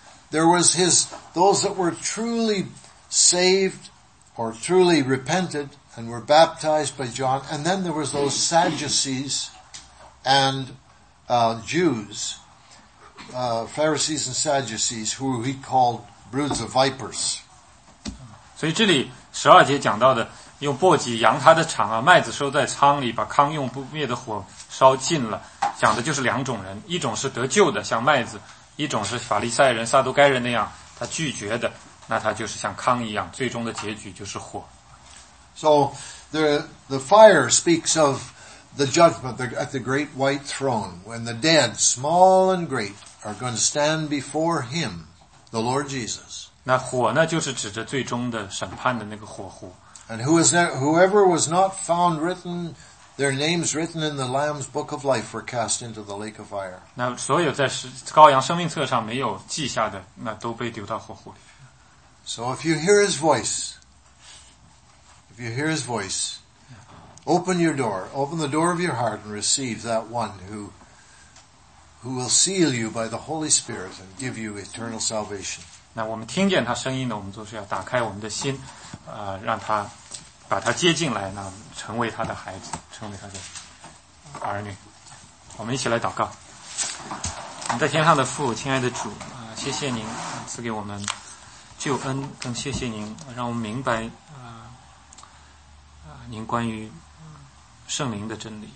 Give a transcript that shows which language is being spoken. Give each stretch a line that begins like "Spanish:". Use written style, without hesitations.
English: There was those that were truly saved or truly repented and were baptized by John. And then there was those Sadducees and Jews, Pharisees and Sadducees, who he called broods of vipers.
Chinese: 所以这里十二节讲到的，用簸箕扬他的场啊，麦子收在仓里，把糠用不灭的火烧尽了。讲的就是两种人，一种是得救的，像麦子；一种是法利赛人、撒都该人那样，他拒绝的，那他就是像糠一样，最终的结局就是火。
English: So the fire speaks of the judgment at the great white throne, when the dead, small and great, are going to stand before Him, the Lord Jesus.
Chinese: 那火呢，就是指着最终的审判的那个火湖。
English: And whoever was not found written, their names written in the Lamb's book of life were cast into the lake of fire.
Chinese: 那所有在羔羊生命册上没有记下的，那都被丢到火湖里。
English: So if you hear his voice, if you hear his voice, open your door, open the door of your heart and receive that one who will seal you by the Holy Spirit and give you eternal salvation.
Chinese: 那我们听见他声音呢，我们就是要打开我们的心，让他把他接进来，那成为他的孩子，成为他的儿女。我们一起来祷告。我们在天上的父，亲爱的主，谢谢您赐给我们救恩，更谢谢您让我们明白您关于圣灵的真理。